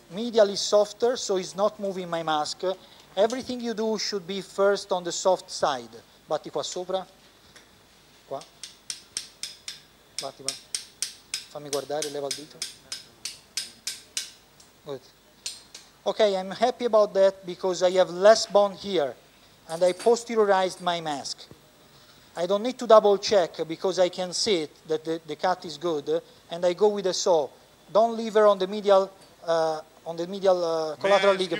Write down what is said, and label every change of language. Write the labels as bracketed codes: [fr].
[en] Medially softer, so it's not moving my mask. Everything you do should be first on the soft side. [it] Batti qua sopra, qua, batti qua, fammi guardare, leva il dito. [en] Good. Okay, I'm happy about that because I have less bone here. And I posteriorized my mask. I don't need to double check because I can see it, that the cut is good, and I go with the saw. Don't leave her on the medial collateral ligament.